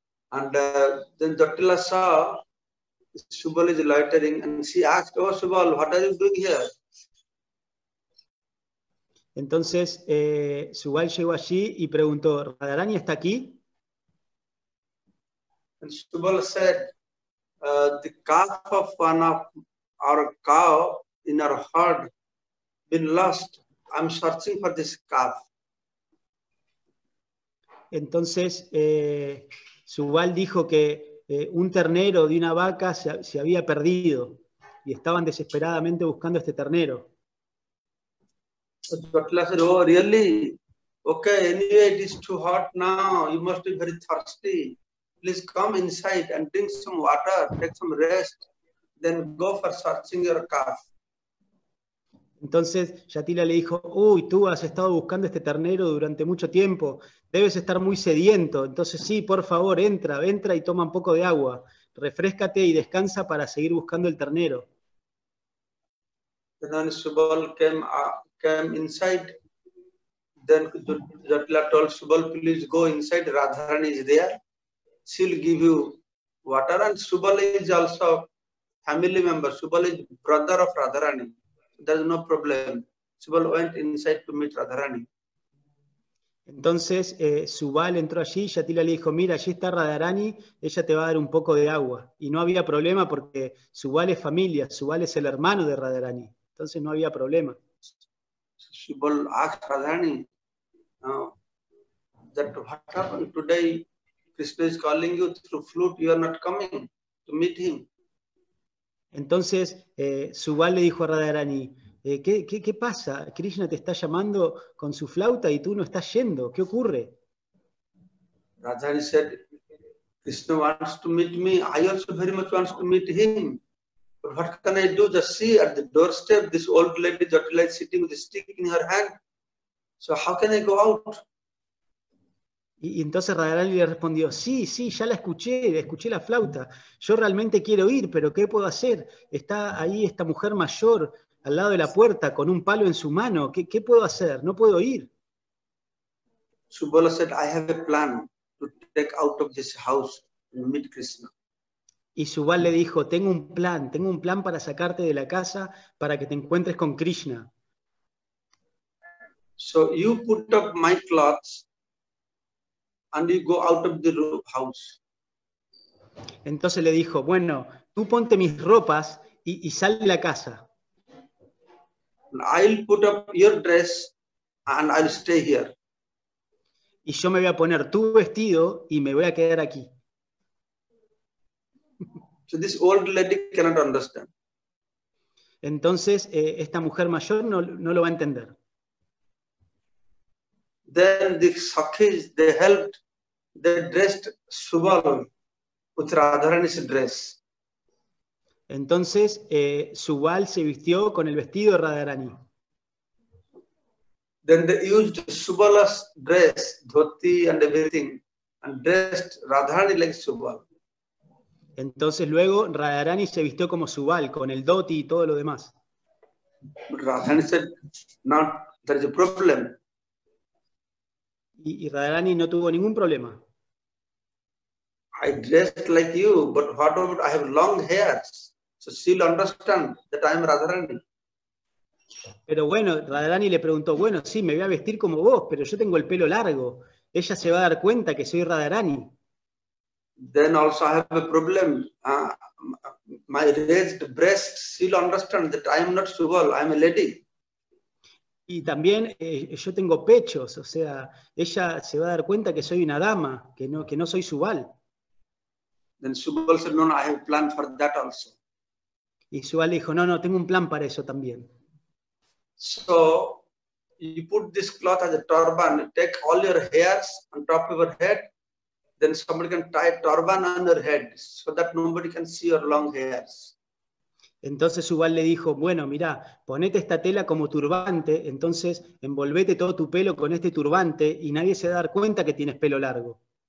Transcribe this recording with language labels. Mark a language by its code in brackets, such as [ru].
[en] And then Jatila saw Subal is loitering and she asked, oh Subal, what are you doing here? [es] Entonces Subal llegó allí y preguntó, ¿Radharani está aquí? [en] And Subal said, the calf of one of our cow in our herd been lost. I'm searching for this calf. [es] Entonces Subal dijo que un ternero de una vaca se había perdido y estaban desesperadamente buscando este ternero. [en] Butler said, "Oh, really? Okay, anyway, it is too hot now. You must be very thirsty. Please come inside and drink some water, take some rest, then go for searching your calf." [es] Entonces Yatila le dijo, uy, tú has estado buscando este ternero durante mucho tiempo, debes estar muy sediento, entonces sí, por favor, entra, entra y toma un poco de agua, refréscate y descansa para seguir buscando el ternero. [en] Then Subal came inside, then Yatila told Subal, please go inside, Radharani is there, she'll give you water, and Subal is also family member, Subal is brother of Radharani. There's no problem. Subal went inside to meet Radharani. [es] Entonces Subal entró allí y Yatila le dijo, mira, allí está Radharani, ella te va a dar un poco de agua. Y no había problema porque Subal es familia, Subal es el hermano de Radharani. Entonces no había problema. [en] Subal asked Radharani, that what happened today? Krishna is calling you through flute, you are not coming to meet him. [es] Entonces Subal le dijo a Radharani, ¿qué pasa? Krishna te está llamando con su flauta y tú no estás yendo. ¿Qué ocurre? [en] Radharani said, Krishna wants to meet me. I also very much wants to meet him. But what can I do? Just see at the doorstep, this old lady Jatila is sitting with a stick in her hand. So how can I go out? [es] Y entonces Radharani le respondió, sí, sí, ya la escuché la flauta. Yo realmente quiero ir, pero ¿qué puedo hacer? Está ahí esta mujer mayor al lado de la puerta con un palo en su mano. ¿Qué puedo hacer? No puedo ir. [en] Subala said, I have a plan to take out of this house and meet Krishna. [es] Y Subal le dijo, tengo un plan para sacarte de la casa para que te encuentres con Krishna. [en] So you put up my clothes and you go out of the house. [es] Entonces le dijo, bueno, tú ponte mis ropas y sal de la casa. [en] I'll put up your dress and I'll stay here. [es] Y yo me voy a poner tu vestido y me voy a quedar aquí. [en] So this old lady cannot understand. [es] Entonces esta mujer mayor no lo va a entender. [en] Then the sakhis, they helped. They dressed Subal with Radharani's dress. [es] Entonces Subal se vistió con el vestido de Radharani. [en] Then they used Subala's dress, dhoti and everything, and dressed Radharani like Subal. [es] Entonces luego Radharani se vistió como Subal con el dhoti y todo lo demás. [en] But Radharani said, "Not there is a problem." [es] Y Radharani no tuvo ningún problema. [en] I dressed like you, but what about I have long hairs, so she'll understand that I am Radharani. [es] Pero bueno, Radharani le preguntó, bueno, sí, me voy a vestir como vos, pero yo tengo el pelo largo. Ella se va a dar cuenta que soy Radharani. [en] Then also I have a problem. My raised breasts, she'll understand that I am not Subal, I am a lady. [es] Y también yo tengo pechos, o sea, ella se va a dar cuenta que soy una dama, que no soy Subal. [en] Then Subal said, no, I have a plan for that also. [es] Y Subal dijo, no, tengo un plan para eso también. [en] So, you put this cloth as a turban, you take all your hairs on top of your head, then somebody can tie a turban on your head, so that nobody can see your long hairs. [es] Entonces Subal le dijo, bueno, mira, ponete esta tela como turbante, entonces envolvete todo tu pelo con este turbante y nadie se va a dar cuenta que tienes pelo largo.